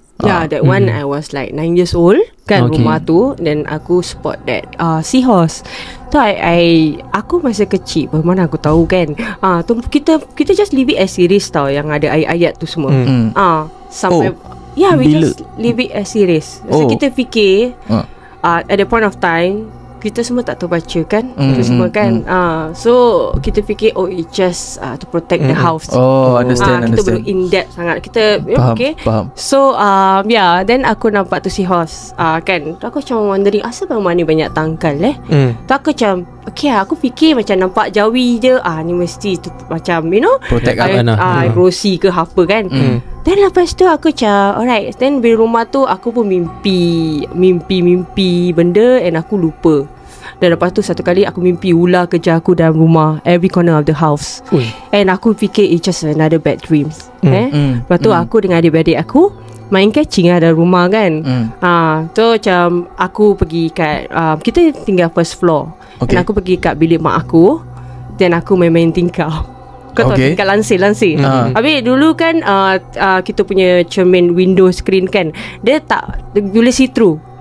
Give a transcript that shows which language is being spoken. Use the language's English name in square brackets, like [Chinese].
[English] Yeah, that one I was like 9 years old kan, okay. [Malay] Rumah tu, [English] then aku spot that seahorse. [Malay] So aku masa kecil, bagaimana aku tahu kan. Tu kita [English] just leave it as it is [Malay] tau, yang ada ayat-ayat tu semua. [English] Just leave it as it is. So [Malay] kita fikir [English] at the point of time [Malay] kita semua tak tahu baca kan, [English] so kita fikir it's just to protect the house. Understand. [Malay] Kita belum in depth sangat, kita faham. So then aku nampak tu seahorse kan, tu aku macam wondering asal bang mana banyak tangkal eh. Tu aku macam okay, aku fikir macam nampak jawi je, ni mesti tu macam you know [English] protect [Malay] erosi ke apa kan. Then lepas tu aku cakap alright, then bila rumah tu aku pun mimpi benda and aku lupa. Dan lepas tu satu kali aku mimpi ular kejar aku dalam rumah, [English] every corner of the house. And [Malay] aku fikir [English] it's just another bad dreams. [Malay] Lepas tu aku dengan adik-adik aku main catching lah dalam rumah kan. Tu macam aku pergi kat kita tinggal first floor. Dan aku pergi kat bilik mak aku, then aku main-main tingkap. Kau tahu tingkap lansir. Habis dulu kan kita punya cermin window screen kan, dia tak boleh [English] see through.